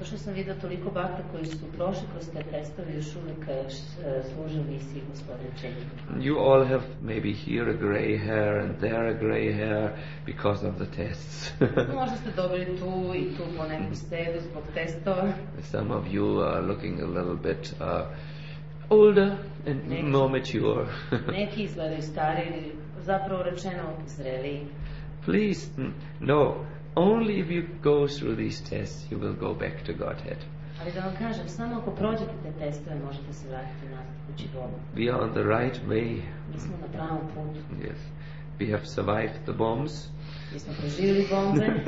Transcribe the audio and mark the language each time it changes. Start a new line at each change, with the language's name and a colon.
Serbian: Zato što sam vidio toliko bhakta koji su prošli kroz te testove još uvijek služe misiji gospodine Chaitanya.
English: You all have maybe here a grey hair and there a grey hair because of the tests.
Serbian: Možda ste dobili tu i tu po neku sedu zbog testova.
English: Some of you are looking a little bit older and
Serbian: neki,
English: more mature.
Serbian: Neki izgledaju stariji, zapravo rečeno zreliji.
English: Please, no. Only if you go through these tests, you will go back to Godhead.
Serbian: Ali da vam kažem, samo ako prođete te testove, možete se vratiti nazad kući Bogu.
English: We are on the right way.
Serbian: Mi smo na pravom putu.
English: Yes. We have survived the bombs.
Serbian: Mi smo preživjeli bombe.